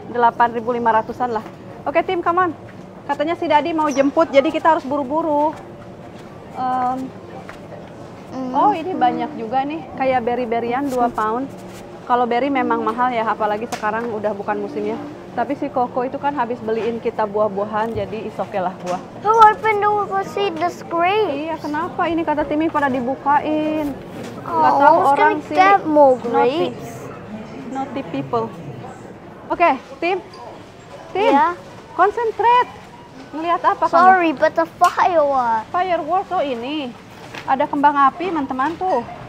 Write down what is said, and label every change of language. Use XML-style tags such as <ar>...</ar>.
<id>8.500-an lah. Oke,</id> <en>okay, tim, come on.</en> <id>Katanya si Dadi mau jemput, jadi kita harus buru-buru. Oh, ini banyak juga nih. Kayak berry-berryan 2 pound. Kalau berry memang mahal ya, apalagi sekarang udah bukan musimnya. Tapi si Koko itu kan habis beliin kita buah-buahan, jadi</id> <en>is okay</en> <id>lah buah.</id> <en>Who opened to see the grapes?</en> <id>Iya, kenapa ini kata Timmy pada dibukain? Oh, gak tahu orang sih.</id> <en>Get more grapes. Naughty people. Oke, okay, Tim. Tim, yeah. Concentrate.</en> <id>Melihat apa?</id> <en>Sorry,</en> <id>kamu?</id> <en>But the firework.</en> <id>Firework, oh ini. Ada kembang api, teman-teman tuh.</id>